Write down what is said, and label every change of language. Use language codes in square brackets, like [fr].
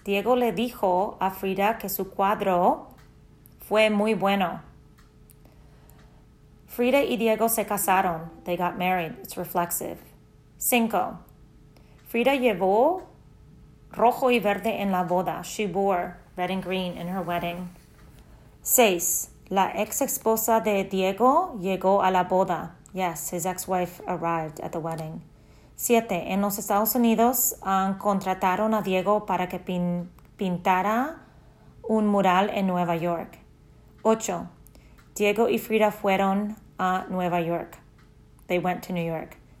[es] Diego le dijo a Frida que su cuadro fue muy bueno. Frida y Diego se casaron. [en] They got married. It's reflexive. 5. [es] Frida llevó rojo y verde en la boda. [en] She wore red and green in her wedding. 6. [es] La ex esposa de Diego llegó a la boda. [en] Yes, his ex-wife arrived at the wedding. [es] 7. En los Estados Unidos, contrataron a Diego para que pintara un mural en Nueva York. 8. Diego y Frida fueron a Nueva York. [en] They went to New York.